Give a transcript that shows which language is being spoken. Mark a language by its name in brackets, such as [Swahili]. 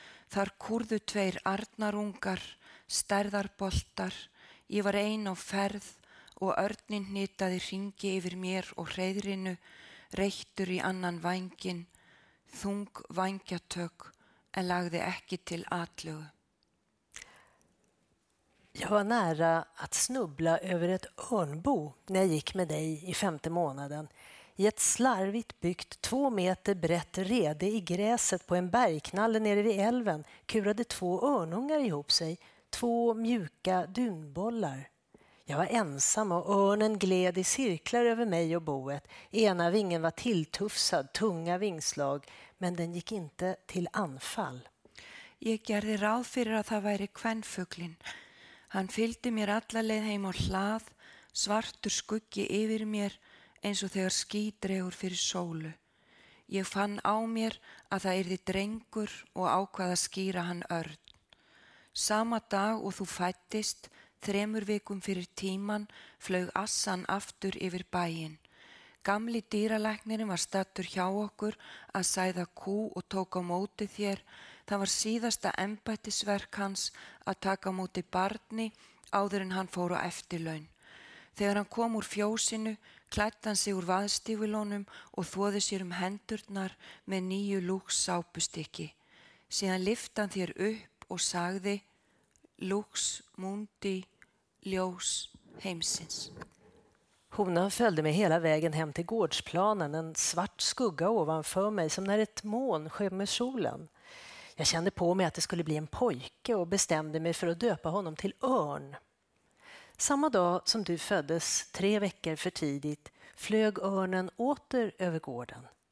[Icelandic] Þar kurðu 2 Arnarungar, stærðarboltar. Ég var ein á ferð og örninn hnitaði hringi yfir mér og hreiðrinu, reyttur í annan vængin, þung vængjatök, en lagði ekki til atlögu. [Swedish] Jag var nära att snubbla över ett örnbo när jag gick med dig i 5:e månaden. I ett slarvigt byggt 2 meter brett rede i gräset på en bergknalle nere vid älven kurade 2 örnungar ihop sig. 2 mjuka dunbollar. Jag var ensam och örnen gled i cirklar över mig och boet. Ena vingen var tilltufsad, tunga vingslag, men den gick inte till anfall. [Icelandic] Jag gjorde ráð fyrir att det var kvenfuglin. Han fylgde mig alla leið heim á hlað, svartur skuggi yfir mér eins og þegar ský dregur fyrir sólu. Ég fann á mér að það yrði drengur og ákvað að skýra hann Örn. Sama dag og þú fæddist, þremur vikum fyrir tíman flaug assan aftur yfir bæinn. Gamli dýralæknirinn var staddur hjá okkur að sæða kú og tók á móti þér. Það var síðasta embættisverk hans að taka á móti barni áður en hann fór á eftirlaun. Þegar hann kom úr fjósinu, klætti hann sig úr vaðstífulónum og þvoði sér hendurnar með nýju lúks sápustykki. Síðan lyfti hann þér upp og sagði Lux mundi ljós heimsins. [Swedish] Honan följde mig hela vägen hem till gårdsplanen, en svart skugga ovanför mig som när ett moln skymmer solen. Jag kände på mig att det skulle bli en pojke och bestämde mig för att döpa honom till Örn. Samma dag som du föddes, 3 veckor för tidigt, flög örnen åter över gården.